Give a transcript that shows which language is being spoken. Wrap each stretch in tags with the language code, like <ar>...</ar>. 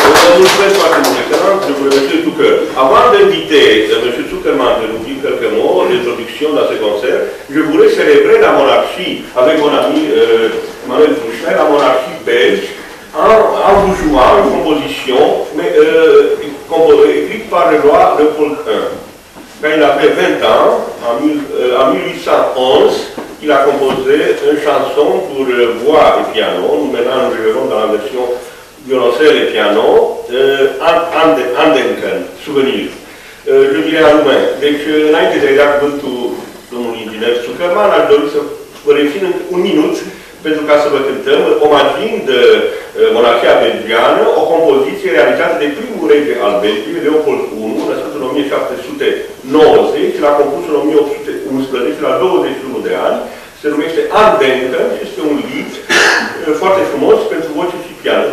<ro>Vă mulțumesc foarte mult. Chiar am de pregătit tu că</ro> <fr>avant d'inviter M. Zuckerman de nous dire quelques mots d'introduction dans ce concert, je voulais célébrer la monarchie avec mon ami Manuel Fouchet, la monarchie belge, en vous jouant une composition, mais écrite par le roi Léopold I. Quand il avait 20 ans, en 1811, il a composé une chanson pour voix et piano. Nous maintenant nous verrons dans la version violoncelle et piano, Andenken, souvenir. Je dirais en roumain.</fr> <ro>Deci, înainte de a-i da cuvântul domnului inginer Zuckerman, aș dori să vă rețin un minut pentru ca să vă cântăm, omagind monarhia belgiană, o compoziție realizată de primul rege al Belgiei, Leopold I, născut în 1790, l-a compus în 1811, la 21 de ani, se numește Andenken și este un lied foarte frumos pentru voce și piano.</ro>